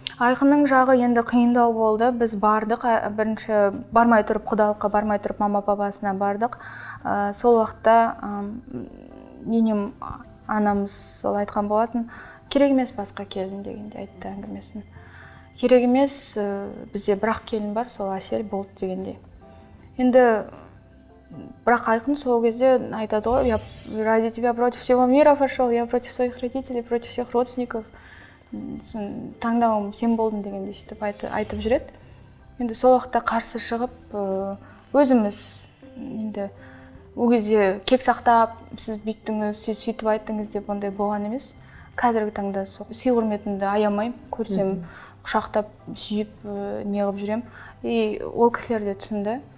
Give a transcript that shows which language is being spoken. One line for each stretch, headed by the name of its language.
Kazakh: Айқынның жағы енді қиындау болды. Біз бардық, бірінші бармай тұрып құдалыққа, бармай тұрып мама-папасына бардық. Сол уақытта енем анамыз сол айтқан болатын, керек емес басқа келін дегенде айтты әңгімесін. Керек емес, бізде бірақ келін бар, сол әсел болды дегенде. Енді бірақ айқын сол кезде айтады ғой,
Russian: я ради тебя против всего мира пошел, я против своих родителей, против всех родственников.
Kazakh: Сен таңдауым сен болдың дегенде сөйтіп айтып жүреді. Енді сол уақытта қарсы шығып, өзіміз енді ол кезде кек сақтап, сіз бүйттіңіз, сіз сөйтіп айттыңыз деп ондай болған емес. Қазіргі таңда сол сый құрметімді аямаймын, көрсем құшақтап, сүйіп, неғып жүремін. И ол кісілер де түсінді.